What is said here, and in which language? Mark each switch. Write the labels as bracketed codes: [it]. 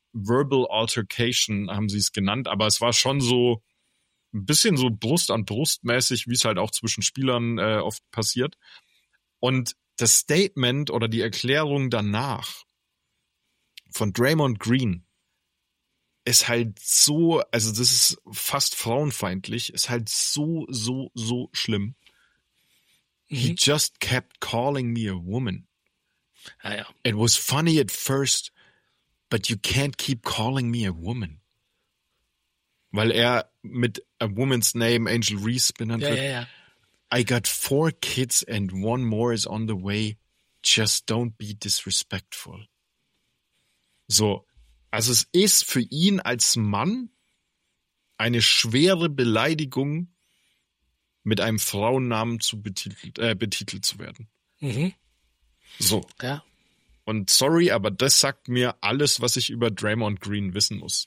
[en] Verbal Altercation [de] haben sie es genannt, aber es war schon so ein bisschen so Brust an Brust mäßig, wie es halt auch zwischen Spielern oft passiert. Und das Statement oder die Erklärung danach von Draymond Green ist halt so, also das ist fast frauenfeindlich, ist halt so, so, so schlimm. Mhm. [en] He just kept calling me a woman. [de] Ah, ja. [en] It was funny at first, but you can't keep calling me a woman. [de] Weil er mit [en] a woman's name [de] Angel Reese benannt ja, wird. Ja, ja. [en] I got 4 kids and 1 more is on the way. Just don't be disrespectful. [de] So, also es ist für ihn als Mann eine schwere Beleidigung, mit einem Frauennamen betitelt zu werden. Mhm. So. Ja. Und sorry, aber das sagt mir alles, was ich über Draymond Green wissen muss.